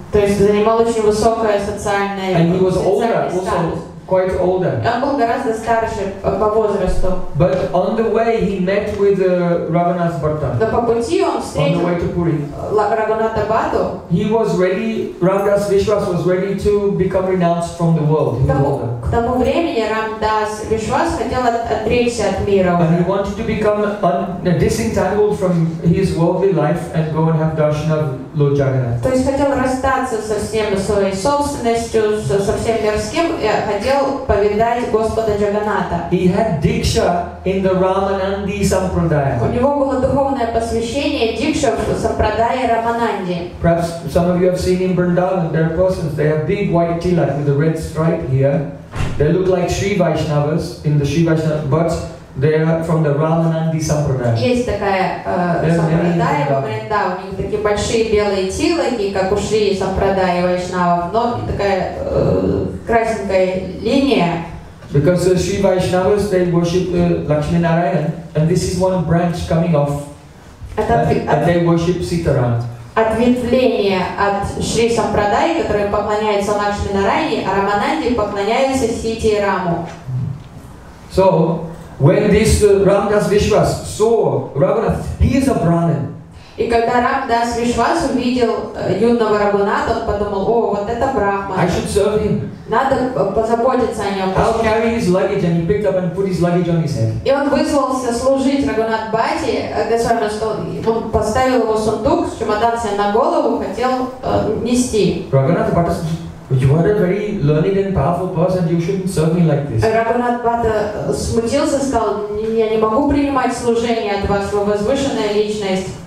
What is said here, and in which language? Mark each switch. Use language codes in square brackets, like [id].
[ru] То есть занимал очень высокое социальное. [en] And he was older, also quite older. [ru] Он был гораздо старше по возрасту. [en] But on the way he met with Raghunath Bhatta. [ru] Но по пути он встретил Raghunatha Bhatta. [en] He was ready. Ramdas Vishwas was ready to become renounced from the world. [ru] К тому времени Ramdas Vishwas хотел отречься от мира. [en] And he wanted to become disentangled from his worldly life and go and have darshan of Lord Jagannath. [ru] То есть хотел расстаться со всем своей собственностью, со всем мирским, и хотел повидать Господа Джаганната. [en] He had diksha in the Ramanandi Sampradaya. [ru] У него было духовное посвящение дикша в Сампрадае Рамананди. [en] Perhaps some of you have seen in Vrindavan, there are persons, they have big white tilak with a red stripe here. They look like Sri Vaishnavas in the Sri Vaishnavas, but they are from the Ramanandi Sampradaya. [ru] Есть такая Сампрадая во Вриндаване, у них такие большие белые тилаки, как у Шри Сампрадая и Вайшнавов, но такая красненькая линия. [en] Because the Sri Vaishnavas, they worship Lakshmi Narayan, and this is one branch coming off, and they worship Sitaram. [ru] Ответвление от Шри Сампрадаи, которое поклоняется Лакшми Нарайане, а Рамананди поклоняется Сити и Раму. [en] So, When this Ramdas Vishwas saw Raghunath, he is a Brahmin. [ru] И когда Рамдас Вишвас увидел юного Рагунатха, он подумал: "О, вот это брахман. [en] I should serve him. [ru] Надо позаботиться о нем." [en] I'll carry his luggage, and he picked up and put his luggage on his head. [ru] И он вызвался служить Рагунат Бати, Госвами, что он поставил его сундук с чемоданом на голову, хотел нести. [en] Рагунат Бати, you are a very learned and powerful person. You shouldn't serve me like this. [ru] Рагунат Бата смутился, сказал: "Я не могу принимать служение от вас, вы возвышенная личность."